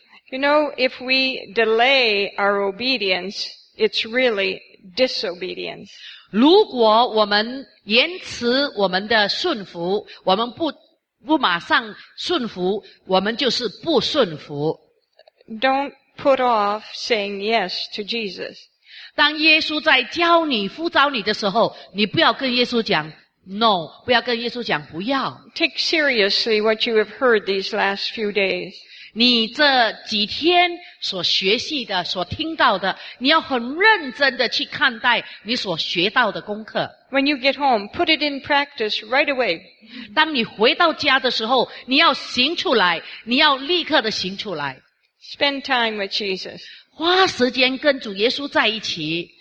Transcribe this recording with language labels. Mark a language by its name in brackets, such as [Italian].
[English] You know, if we delay our obedience, it's really disobedience. [Chinese] 如果我们延迟我们的顺服，我们不马上顺服，我们就是不顺服。 [English] Don't put off saying yes to Jesus. [Chinese] 当耶稣在教你、呼召你的时候，你不要跟耶稣讲No, 不要跟耶稣讲不要。 [English] Take seriously what you have heard these last few days. [Chinese] 你这几天所学习的、所听到的，你要很认真的去看待你所学到的功课。 [English] When you get home, put it in practice right away. [Chinese] 当你回到家的时候，你要行出来，你要立刻的行出来。 [English] Spend time with Jesus. [Chinese] 花时间跟主耶稣在一起。